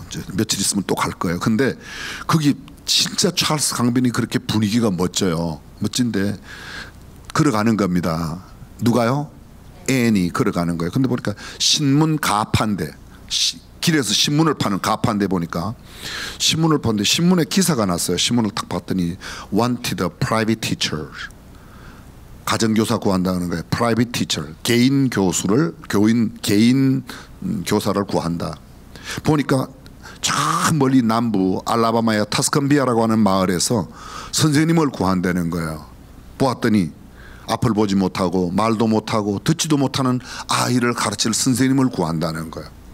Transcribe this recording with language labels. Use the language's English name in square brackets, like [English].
[Korean] 이제 며칠 있으면 또 갈 거예요. 근데 거기 진짜 찰스 강변이 그렇게 분위기가 멋져요. 멋진데 걸어가는 겁니다. 누가요? 애니 걸어가는 거예요. 근데 보니까 신문 가판대 길에서 신문을 파는 가판대 보니까 신문을 파는데 신문에 기사가 났어요. 신문을 딱 봤더니 [English] Wanted a private teacher. [Korean] 가정교사 구한다는 거예요. [English] Private teacher. [Korean] 개인 교수를, 교인, 개인 교사를 구한다. 보니까 저 멀리 남부 알라바마의 타스컨비아라고 하는 마을에서 선생님을 구한다는 거예요. 보았더니 앞을 보지 못하고 말도 못하고 듣지도 못하는 아이를 가르칠 선생님을 구한다는 거예요.